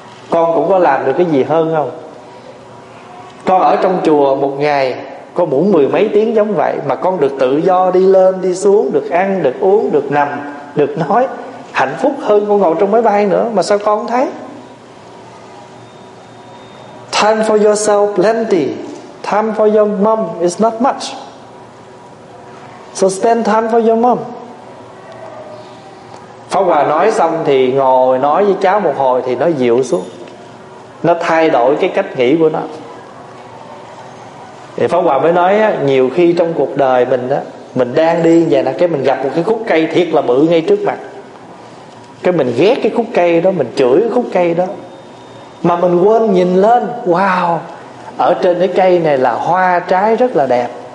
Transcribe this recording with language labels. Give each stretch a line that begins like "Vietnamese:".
Vietnamese: Con cũng có làm được cái gì hơn không? Con ở trong chùa một ngày con muốn mười mấy tiếng giống vậy, mà con được tự do đi lên đi xuống, được ăn được uống được nằm được nói, hạnh phúc hơn con ngồi trong máy bay nữa, mà sao con không thấy?
English: Time for yourself plenty, time for your mom is not much, so spend time for your mom.
Vietnamese: Pháp Hòa nói xong thì ngồi nói với cháu một hồi thì nó dịu xuống, nó thay đổi cái cách nghĩ của nó. Thì Pháp Hòa mới nói á, nhiều khi trong cuộc đời mình á, mình đang đi vậy là cái mình gặp một cái khúc cây thiệt là bự ngay trước mặt, cái mình ghét cái khúc cây đó, mình chửi cái khúc cây đó, mà mình quên nhìn lên, wow, ở trên cái cây này là hoa trái rất là đẹp.